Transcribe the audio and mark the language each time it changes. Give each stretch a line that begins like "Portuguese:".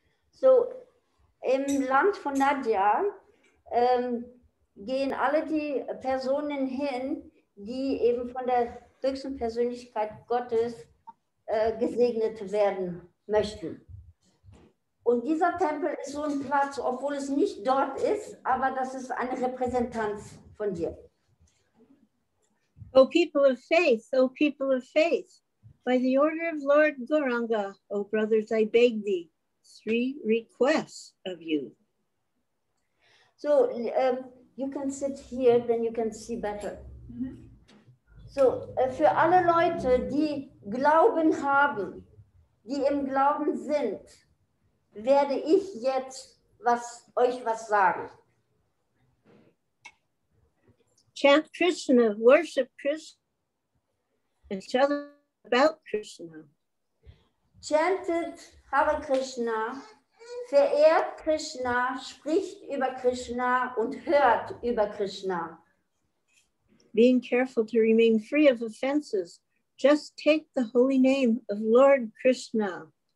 German: So im Land von Nadja gehen alle die Personen hin, die eben von der höchsten Persönlichkeit Gottes gesegnet werden möchten. Und dieser Tempel ist so ein Platz, obwohl es nicht dort ist, aber das ist eine Repräsentanz von dir.
English: O people of faith, O people of faith, by the order of Lord Gauranga, O brothers, I beg thee, three requests of you. So, you can sit here, then you can see better. Mm-hmm.
German: So, für alle Leute, die Glauben haben, die im Glauben sind, werde ich jetzt was, euch was sagen.
English: Chant Krishna, worship Krishna, and tell them about Krishna.
German: Chantet Hare Krishna, verehrt Krishna, spricht über Krishna und hört über Krishna.
English: Being careful to remain free of offenses, just take the holy name of Lord Krishna.